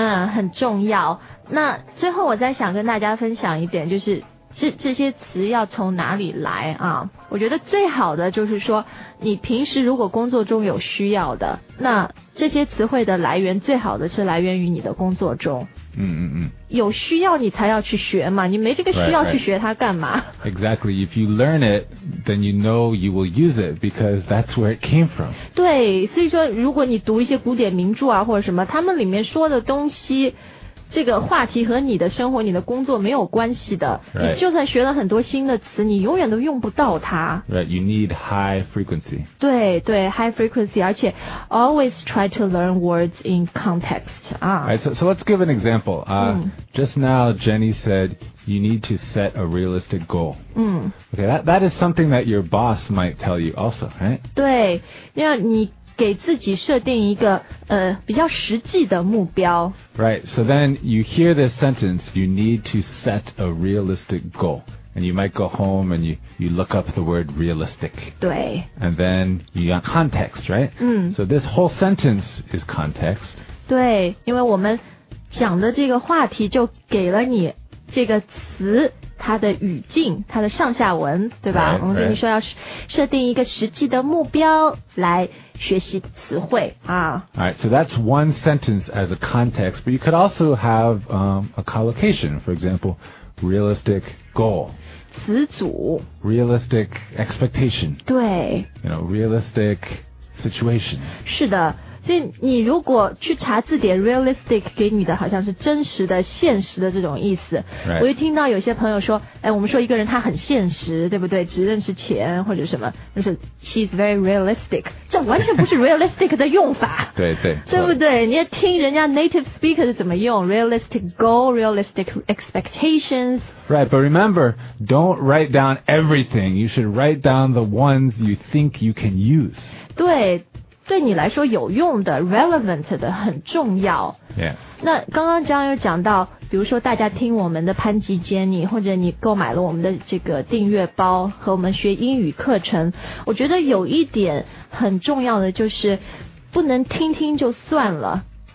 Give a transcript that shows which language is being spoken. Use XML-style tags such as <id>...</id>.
<zh>很重要那最后我再想跟大家分享一点就是这些词要从哪里来啊我觉得最好的就是说你平时如果工作中有需要的那这些词汇的来源最好的是来源于你的工作中有需要你才要去学嘛你没这个需要去学它干嘛</zh> <en>right, right. Exactly, if you learn it, then you know you will use it because that's where it came from</en> <zh>对所以说如果你读一些古典名著啊或者什么他们里面说的东西这个话题和你的生活你的工作没有关系的、</zh> <en>right.</en> <zh>你就算学了很多新的词你永远都用不到它</zh> <en>Right, you need high frequency 对对 high frequency 而且 always try to learn words in context、 right, so let's give an example just now Jenny said you need to set a realistic goal okay, that is something that your boss might tell you also right?</en> <zh>对因为你给自己设定一个比较实际的目标</zh> <en>Right, so then you hear this sentence You need to set a realistic goal And you might go home and you look up the word realistic</en> <zh>对</zh> <en>And then you got context, right? So this whole sentence is context</en> <zh>对因为我们讲的这个话题就给了你这个词它的语境它的上下文对吧</zh> <en>right,</en> <zh>我们跟你说要设定一个实际的目标来学习词汇啊。</zh> <en>Alright, so that's one sentence as a context, but you could also have、a collocation, for example, realistic goal.</en> <zh>词组</zh> <en>realistic expectation</en> <zh>对</zh> <en>you know, realistic situation</en> <zh>是的所以你如果去查字典 realistic 给你的好像是真实的现实的这种意思、</zh> <en>right.</en> <zh>我就听到有些朋友说哎，我们说一个人他很现实对不对只认识钱或者什么就是</zh> <en>she's very realistic</en> <zh>这完全不是 realistic 的用法对对对不对你也听人家 native speaker 是怎么用</zh> <en>realistic goal realistic expectations Right, but remember, don't write down everything. You should write down the ones you think you can use.</en> <zh>对，对你来说有用的 ,relevant 的很重要。</zh> <en>Yeah.</en> <zh>那刚刚John又讲到，比如说大家听我们的潘吉Jenny，或者你购买了我们的这个订阅包和我们学英语课程，我觉得有一点很重要的就是不能听听就算了。</zh>